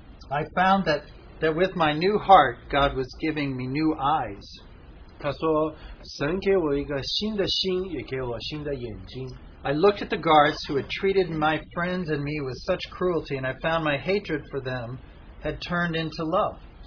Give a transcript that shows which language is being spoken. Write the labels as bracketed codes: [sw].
[en] I found that with my new heart, God was giving me new eyes. [zh] 他说神给我一个新的心，也给我新的眼睛。 [en] I looked at the guards who had treated my friends and me with such cruelty, and I found my hatred for them had turned into love.